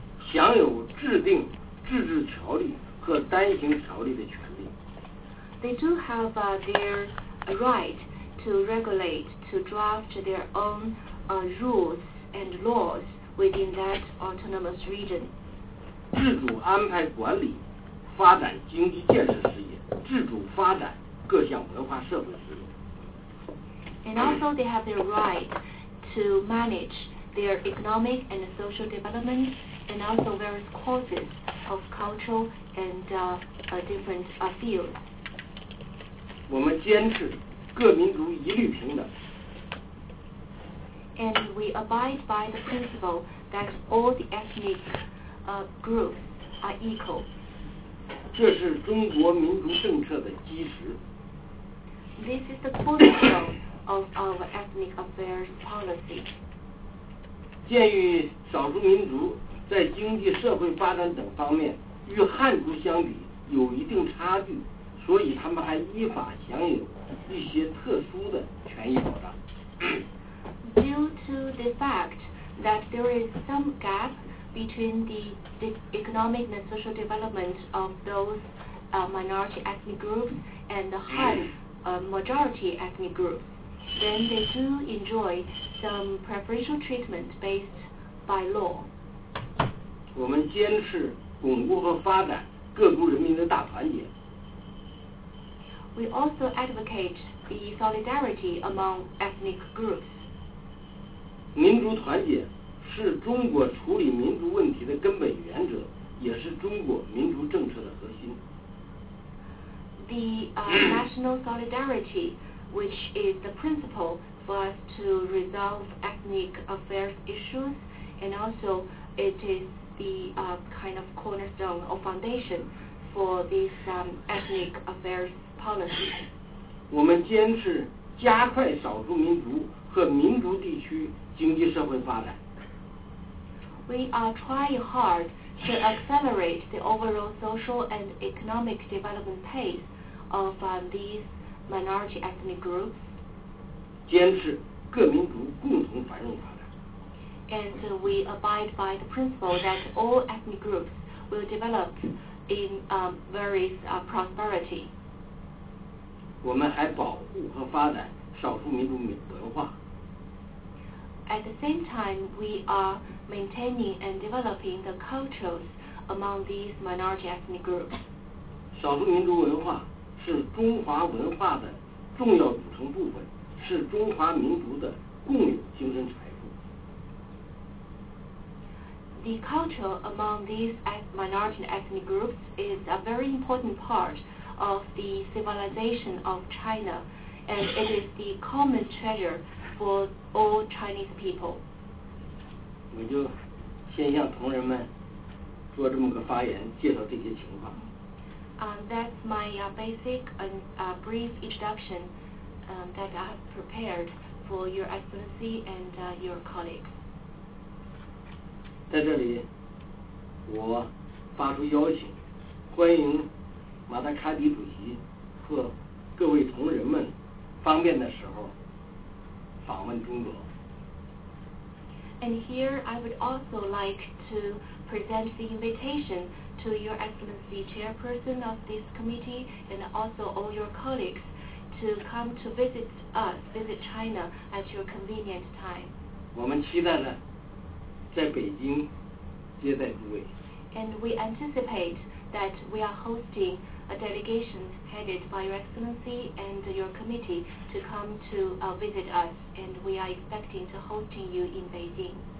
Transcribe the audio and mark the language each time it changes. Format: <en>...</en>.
<zh>享有制定自治条例和单行条例的权利。</zh> <en>They do have their right to regulate, to draft their own rules and laws within that autonomous region.</en> <zh>自主安排管理发展经济建设事业，自主发展各项文化社会事业。</zh> <en>And also they have the right to manage their economic and social development and also various courses of cultural and different fields.</en> <zh>我们坚持各民族一律平等。</zh> <en>And we abide by the principle that all the ethnic groups are equal.</en> <zh>这是中国民族政策的基石。</zh> <en>This is the cornerstone of our ethnic affairs policy.</en> <zh>鉴于少数民族在经济社会发展等方面与汉族相比有一定差距，所以他们还依法享有一些特殊的权益保障。</zh> <en>Due to the fact that there is some gap between the economic and social development of those minority ethnic groups and the Han majority ethnic groups, then they do enjoy some preferential treatment based by law.</en> <zh>我们坚持巩固和发展各族人民的大团结。</zh> <en>We also advocate the solidarity among ethnic groups.</en> <zh>民族团结是中国处理民族问题的根本原则，也是中国民族政策的核心。</zh> <en>The national solidarity, which is the principle for us to resolve ethnic affairs issues, and also it is the kind of cornerstone or foundation for this ethnic affairs policy.</en> <zh>我们坚持加快少数民族和民族地区经济社会发展。</zh> <en>We are trying hard to accelerate the overall social and economic development pace of these minority ethnic groups.</en> <zh>坚持各民族共同繁荣发展。</zh> <en>And we abide by the principle that all ethnic groups will develop in various prosperity.</en> <zh>我们还保护和发展少数民族文化。</zh> <en>At the same time, we are maintaining and developing the cultures among these minority ethnic groups.</en> <zh>少数民族文化是中华文化的重要组成部分，是中华民族的共有精神财富。</zh> <en>The culture among these minority ethnic groups is a very important part of the civilization of China, and it is the common treasure. For all Chinese people.</en> <zh>我就先向同仁们做这么个发言，介绍这些情况。</zh> <en>That's my basic and brief introduction that I have prepared for your excellency and your colleagues.</en> <zh>在这里，我发出邀请，欢迎马达卡迪主席和各位同仁们方便的时候访问中国。</zh> <en>And here I would also like to present the invitation to Your Excellency Chairperson of this committee and also all your colleagues to come to visit us, visit China at your convenient time.</en> <zh>我们期待呢，在北京接待诸位。</zh> <en>And we anticipate that we are hosting a delegation headed by Your Excellency and your committee to come to visit us, and we are expecting to host you in Beijing.</en>